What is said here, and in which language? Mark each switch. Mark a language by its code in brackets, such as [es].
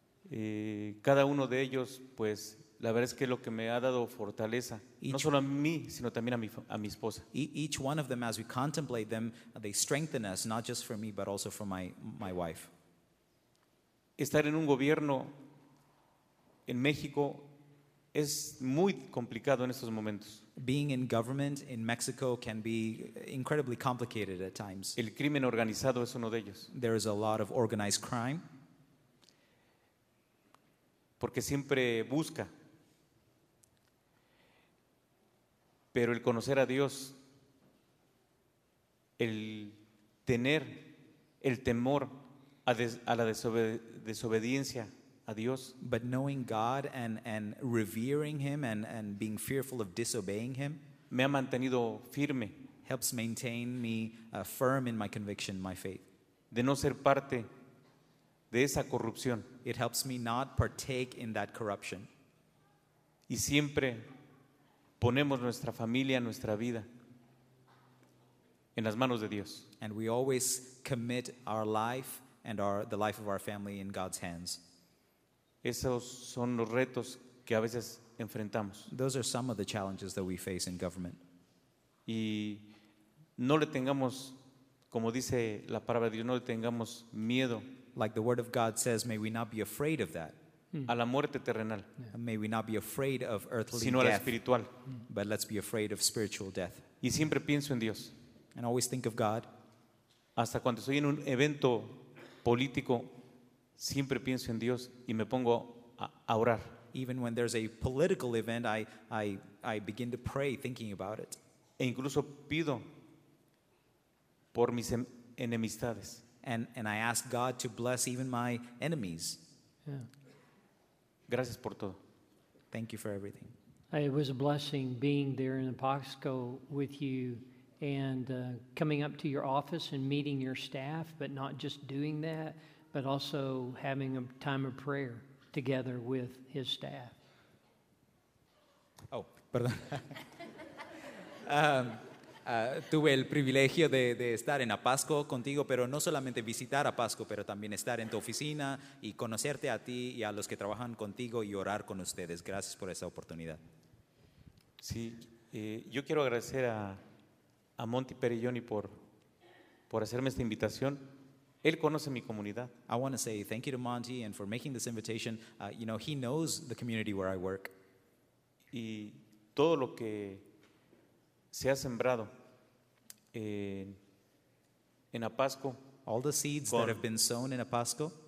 [es] Cada uno de ellos, pues, la verdad es que es lo que me ha dado fortaleza, no solo a mí, sino también a mi esposa. [en] Each one of them, as we contemplate them, they strengthen us, not just for me, but also for my wife. [es] Estar en un gobierno en México es muy complicado en estos momentos. [en] Being in government in Mexico can be incredibly complicated at times. [es] El crimen organizado es uno de ellos. [en] There is a lot of organized crime. [es] Porque siempre busca. Pero el conocer a Dios, el tener el temor a la desobediencia a Dios. [en] But knowing God and revering Him and being fearful of disobeying Him, [es] me ha mantenido firme. [en] Helps maintain me firm in my conviction, my faith. [es] De no ser parte de esa corrupción. [en] It helps me not partake in that corruption. [es] Y siempre ponemos nuestra familia, nuestra vida en las manos de Dios. [en] And we always commit our life and our, the life of our family in God's hands. [es] Esos son los retos que a veces enfrentamos. [en] Those are some of the challenges that we face in government. [es] Y no le tengamos, como dice la palabra de Dios, no le tengamos miedo. [en] Like the word of God says, may we not be afraid of that. [es] A la muerte terrenal. [en] May we not be afraid of earthly [es] sino Sino a la espiritual. [en] But let's be afraid of spiritual death. [es] Y siempre pienso en Dios. [en] And always think of God. [es] Hasta cuando estoy en un evento político, siempre pienso en Dios y me pongo a orar. [en] Even when there's a political event, I begin to pray thinking about it. [es] E incluso pido por mis enemistades. [en] And I ask God to bless even my enemies. Yeah. [es] Gracias por todo. [en] Thank you for everything. It was a blessing being there in Apopka with you and coming up to your office and meeting your staff, but not just doing that, but also having a time of prayer together with his staff. [es] Oh, perdón. Tuve el privilegio de estar en Apopka contigo, pero no solamente visitar Apopka, pero también estar en tu oficina y conocerte a ti y a los que trabajan contigo y orar con ustedes. Gracias por esa oportunidad. Sí, yo quiero agradecer a Monty Perilloni por hacerme esta invitación. Él conoce mi comunidad. [en] I want to say thank you to Monty and for making this invitation. You know, he knows the community where I work. [es] Y todo lo que se ha sembrado en Apopka. [en] All the seeds that have been sown in Apopka.